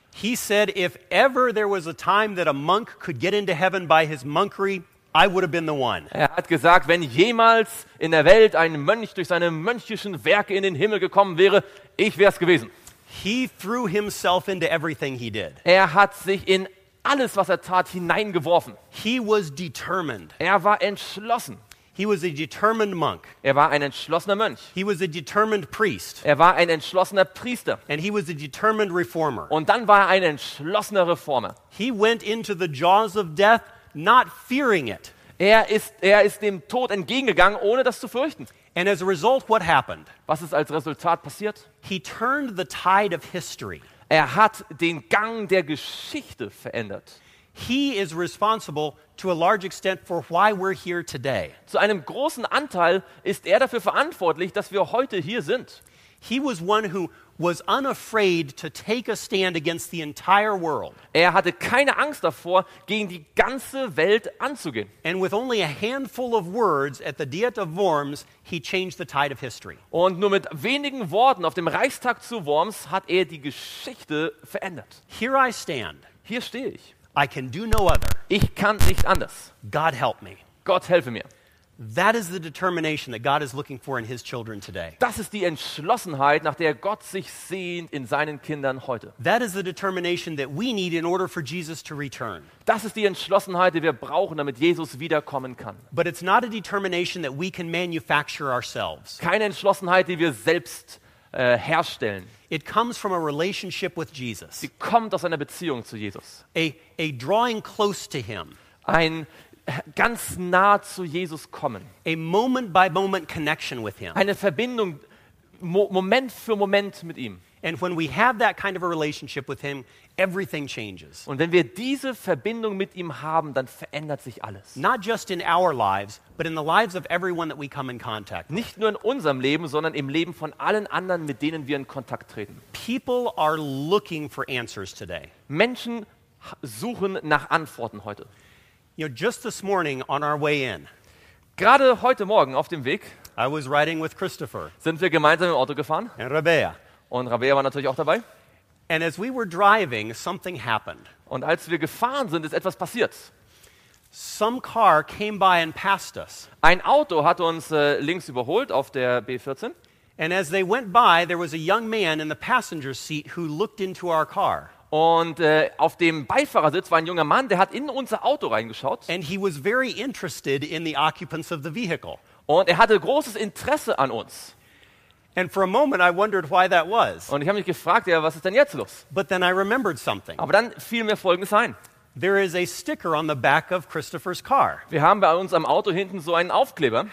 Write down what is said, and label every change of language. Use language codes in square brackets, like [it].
[en] He said if ever there was a time that a monk could get into heaven by his monkery, I would have been the one. [de] Er hat gesagt, wenn jemals in der Welt ein Mönch durch seine mönchischen Werke in den Himmel gekommen wäre, ich wär's gewesen. [en] He threw himself into everything he did. [de] Er hat sich in alles, was er tat, hineingeworfen. [en] He was determined. [de] Er war entschlossen. [en] He was a determined monk. [de] Er war ein entschlossener Mönch. [en] He was a determined priest. [de] Er war ein entschlossener Priester. [en] And he was a determined reformer. [de] Und dann war er ein entschlossener Reformer. [en] He went into the jaws of death not fearing it. [de] Er ist dem Tod entgegengegangen, ohne das zu fürchten. [en] And as a result, what happened? [de] Was ist als Resultat passiert? [en] He turned the tide of history. [de] Er hat den Gang der Geschichte verändert. [en] He is responsible to a large extent for why we're here today. [de] Zu einem großen Anteil ist er dafür verantwortlich, dass wir heute hier sind. [en] He was one who was unafraid to take a stand against the entire world. [de] Er hatte keine Angst davor, gegen die ganze Welt anzugehen. [en] And with only a handful of words at the Diet of Worms, he changed the tide of history. [de] Und nur mit wenigen Worten auf dem Reichstag zu Worms hat er die Geschichte verändert. [en] Here I stand. [de] Hier stehe ich. [en] I can do no other. [de] Ich kann nicht anders. [en] God help me. [de] Gott helfe mir. [en] That is the determination that God is looking for in his children today. [de] Das ist die Entschlossenheit, nach der Gott sich sehnt in seinen Kindern heute. [en] That is the determination that we need in order for Jesus to return. [de] Das ist die Entschlossenheit, die wir brauchen, damit Jesus wiederkommen kann. [en] But it's not a determination that we can manufacture ourselves. [de] Keine Entschlossenheit, die wir selbst herstellen. [en] It comes from a relationship with Jesus. [de] Sie kommt aus einer Beziehung zu Jesus. [en] A drawing close to him. [de] Ein ganz nah zu Jesus kommen. [en] A moment by moment connection with him. [de] Eine Verbindung Moment für Moment mit ihm. [en] And when we have that kind of a relationship with him, everything changes. [de] Und wenn wir diese Verbindung mit ihm haben, dann verändert sich alles. [en] Not just in our lives, but in the lives of everyone that we come in contact with. [de] Nicht nur in unserem Leben, sondern im Leben von allen anderen, mit denen wir in Kontakt treten. [en] People are looking for answers today. [de] Menschen suchen nach Antworten heute. [en] You know, just this morning on our way in. [de] Gerade heute Morgen auf dem Weg. [en] I was riding with Christopher. [de] Sind wir gemeinsam im Auto gefahren? [en] And Rabea. [de] Und Rabea war natürlich auch dabei. [en] And as we were driving, something happened. [de] Und als wir gefahren sind, ist etwas passiert. [en] Some car came by and passed us. [de] Ein Auto hat uns links überholt auf der B14. [en] And as they went by, there was a young man in the passenger seat who looked into our car. [de] Und auf dem Beifahrersitz war ein junger Mann, der hat in unser Auto reingeschaut. [en] And he was very interested in the occupants of the vehicle. [de] Und er hatte großes Interesse an uns. [en] And for a moment I wondered why that was. [de] Und ich habe mich gefragt, ja, was ist denn jetzt los? [en] But then I remembered something. [de] Aber dann fiel mir Folgendes ein. [en] There is a sticker on the back of Christopher's car. [de] Wir haben bei uns am Auto hinten so einen Aufkleber.